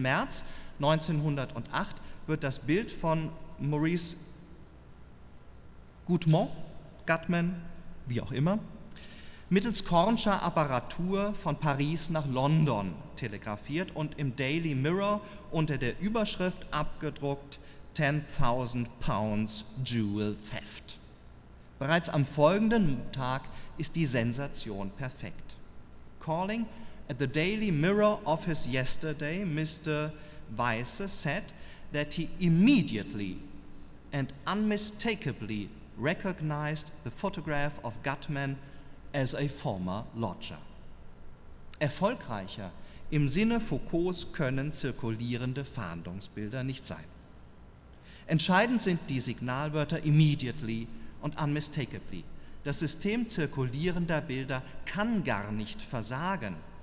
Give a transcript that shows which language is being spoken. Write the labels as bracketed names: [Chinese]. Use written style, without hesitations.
[German] März 1908 wird das Bild von Maurice Gutmann, wie auch immer, mittels Kornscher Apparatur von Paris nach London telegrafiert und im Daily Mirror unter der Überschrift abgedruckt [English] 10.000 Pounds Jewel Theft. [German] Bereits am folgenden Tag ist die Sensation perfekt. [English] Calling at the Daily Mirror office yesterday, Mr. Weisse said that he immediately and unmistakably recognized the photograph of Gutmann as a former lodger. [German] Erfolgreicher im Sinne Foucaults können zirkulierende Fahndungsbilder nicht sein. Entscheidend sind die Signalwörter immediately und unmistakably. Das System zirkulierender Bilder kann gar nicht versagen.